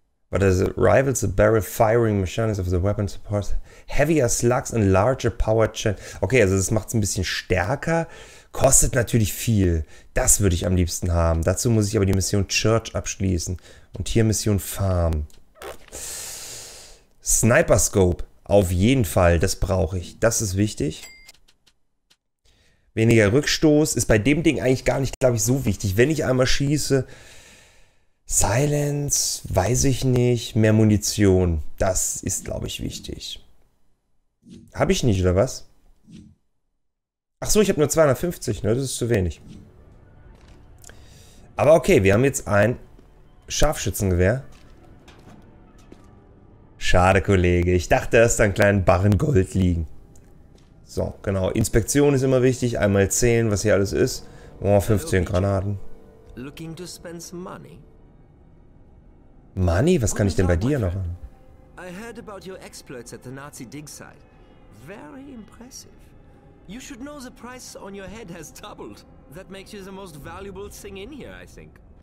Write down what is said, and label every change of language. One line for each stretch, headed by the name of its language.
English: But as it rivals the barrel firing mechanics of the weapon supports heavier slugs and larger power chain.
German: Okay, also das macht es ein bisschen stärker. Kostet natürlich viel. Das würde ich am liebsten haben. Dazu muss ich aber die Mission Church abschließen. Und hier Mission Farm. Sniper Scope. Auf jeden Fall. Das brauche ich. Das ist wichtig. Weniger Rückstoß. Ist bei dem Ding eigentlich gar nicht, glaube ich, so wichtig. Wenn ich einmal schieße... Silence, weiß ich nicht. Mehr Munition, das ist, glaube ich, wichtig. Habe ich nicht, oder was? Ach so, ich habe nur 250, ne? Das ist zu wenig. Aber okay, wir haben jetzt ein Scharfschützengewehr. Schade, Kollege. Ich dachte, da ist ein kleiner Barren Gold liegen. So, genau. Inspektion ist immer wichtig. Einmal zählen, was hier alles ist. Oh, 15 Granaten.
English: Looking to spend some money.
German: Money, was kann ich denn bei dir noch?
English: I heard about your exploits at the Nazi dig site. Very impressive. You should know the price on your head has doubled. That makes you the most valuable thing in here, I think.